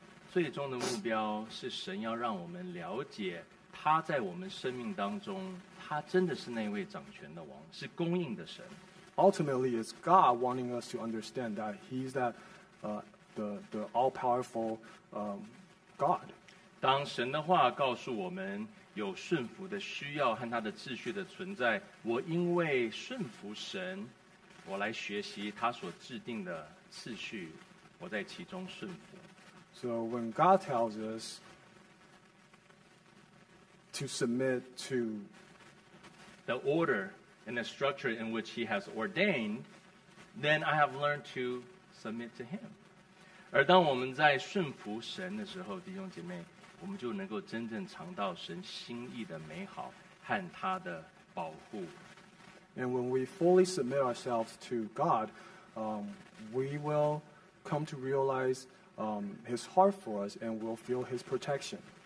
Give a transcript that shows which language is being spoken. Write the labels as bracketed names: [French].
[Chinese] 最终的目标是神要让我们了解他在我们生命当中，他真的是那位掌权的王，是供应的神。 [English] Ultimately, it's God wanting us to understand that He's that the all-powerful God. [Chinese] 当神的话告诉我们有顺服的需要和他的秩序的存在，我因为顺服神，我来学习他所制定的次序，我在其中顺服。 [English] So when God tells us to submit to the order and the structure in which he has ordained, then I have learned to submit to him. [Chinese] 而当我们在顺服神的时候，弟兄姐妹，我们就能够真正尝到神心意的美好和他的保护。 [English] And when we fully submit ourselves to God, we will come to realize his heart for us and we'll feel his protection.